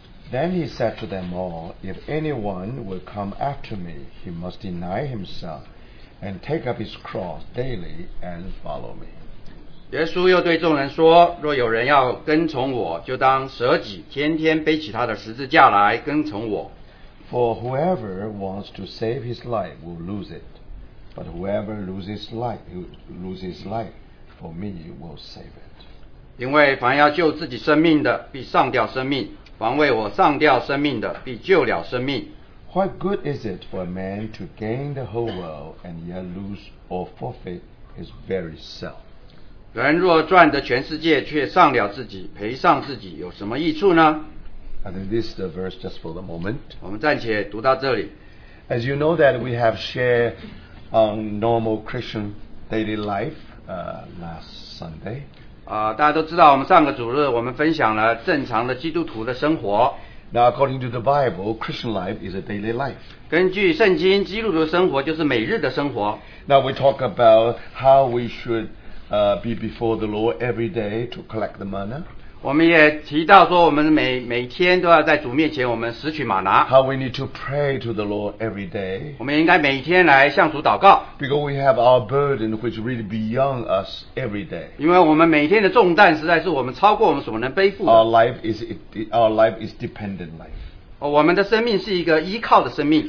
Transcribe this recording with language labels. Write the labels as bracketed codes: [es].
[en] Then he said to them all, If anyone will come after me, he must deny himself and take up his cross daily and follow me. [zh] 耶稣又对众人说，若有人要跟从我，就当舍己，天天背起他的十字架来跟从我。 [en] For whoever wants to save his life will lose it, but whoever loses life, for me will save it. [zh] 因为凡要救自己生命的，必丧掉生命。防卫我上吊生命的必救了生命。 [en] What good is it for a man to gain the whole world and yet lose or forfeit his very self? [zh] 人若赚得全世界却上了自己赔上自己有什么益处呢？ [en] I think this is the verse just for the moment. [zh] 我们暂且读到这里。 [en] As you know that we have shared on normal Christian daily life last Sunday, [zh] 大家都知道我们上个主日我们分享了正常的基督徒的生活。 [en] Now according to the Bible, Christian life is a daily life. [zh] 根据圣经基督徒的生活就是每日的生活。 [en] Now we talk about how we should be before the Lord every day to collect the manna. [zh] 我们也提到说我们 每天都要在主面前我们拾取玛拿。 [en] How we need to pray to the Lord every day. [zh] 我们应该每天来向主祷告。 [en] Because we have our burden which really beyond us every day. [zh] 因为我们每天的重担实在是我们超过我们所能背负的。 [en] Our life is dependent life. [zh] 我们的生命是一个依靠的生命。